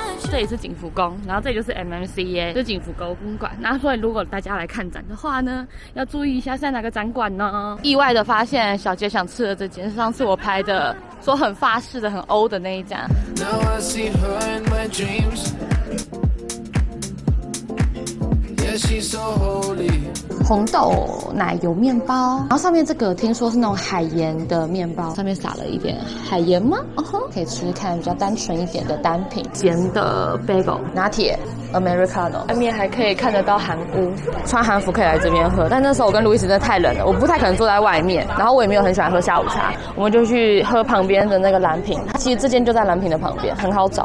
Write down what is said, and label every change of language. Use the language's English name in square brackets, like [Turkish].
[Chinese] 这里是景福宫，然后这里就是 MMCA， 就是景福宫公馆。那所以如果大家来看展的话呢，要注意一下是在哪个展馆呢？意外的发现，小杰想吃的这件是上次我拍的，说很法式的、很欧的那一家。 [English] Now I see her in my dreams. Yeah, she's so holy. [Chinese] 红豆奶油面包，然后上面这个听说是那种海盐的面包，上面撒了一点海盐吗？可以吃吃看，比较单纯一点的单品。咸的 bagel 拿铁 americano， 外面还可以看得到韩屋，穿韩服可以来这边喝，但那时候我跟路易斯真的太冷了，我不太可能坐在外面，然后我也没有很喜欢喝下午茶，我们就去喝旁边的那个蓝瓶，其实这间就在蓝瓶的旁边，很好找。